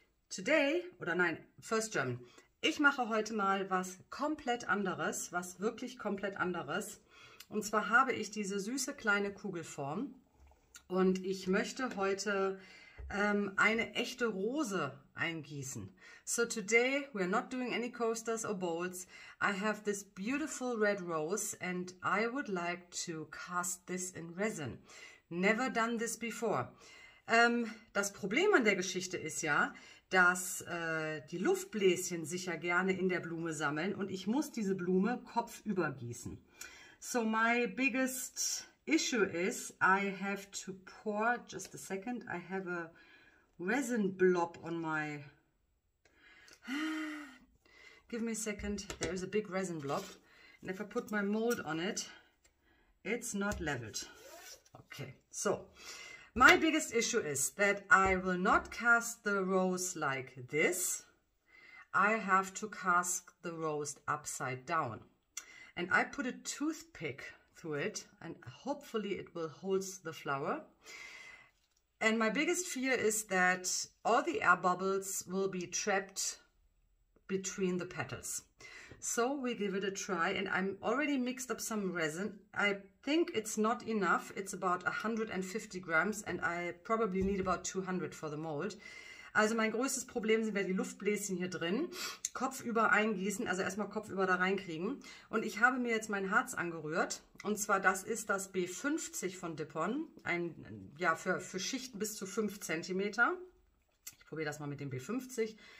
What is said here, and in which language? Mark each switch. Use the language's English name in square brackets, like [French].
[German] Today, oder nein, [English] first German. [German] Ich mache heute mal was komplett anderes, was wirklich komplett anderes. Und zwar habe ich diese süße kleine Kugelform und ich möchte heute eine echte Rose eingießen. [English] So today we are not doing any coasters or bowls. I have this beautiful red rose and I would like to cast this in resin. Never done this before. [German] Das Problem an der Geschichte ist ja, dass die Luftbläschen sich ja gerne in der Blume sammeln und ich muss diese Blume kopfüber gießen. [English] So my biggest issue is I have to pour, just a second, I have a resin blob on my, give me a second, there is a big resin blob, and if I put my mold on it, it's not leveled. Okay, so, my biggest issue is that I will not cast the rose like this, I have to cast the rose upside down, and I put a toothpick through it, and hopefully it will hold the flower. And my biggest fear is that all the air bubbles will be trapped between the petals. So we give it a try and I'm already mixed up some resin. I think it's not enough. It's about 150 grams and I probably need about 200 for the mold. [German] Also mein größtes Problem sind wir die Luftbläschen hier drin. Kopfüber eingießen, also erstmal kopfüber da reinkriegen. Und ich habe mir jetzt mein Harz angerührt. Und zwar das ist das B50 von Dipon. Ein, ja, für Schichten bis zu 5 cm. Ich probiere das mal mit dem B50.